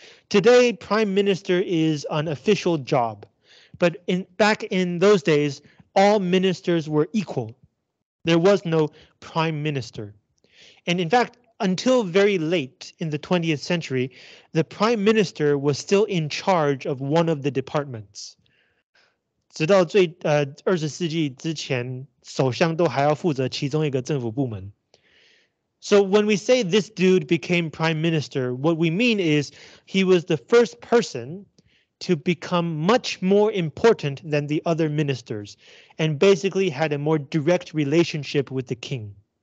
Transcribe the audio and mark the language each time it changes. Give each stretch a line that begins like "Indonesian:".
English: Today, prime minister is an official job, but back in those days, all ministers were equal. There was no prime minister. And in fact, until very late in the 20th century, the prime minister was still in charge of one of the departments.
Chinese: 直到最20世纪之前，首相都还要负责其中一个政府部门。
English: So when we say this dude became prime minister, what we mean is he was the first person to become much more important than the other ministers and basically had a more direct relationship with the king.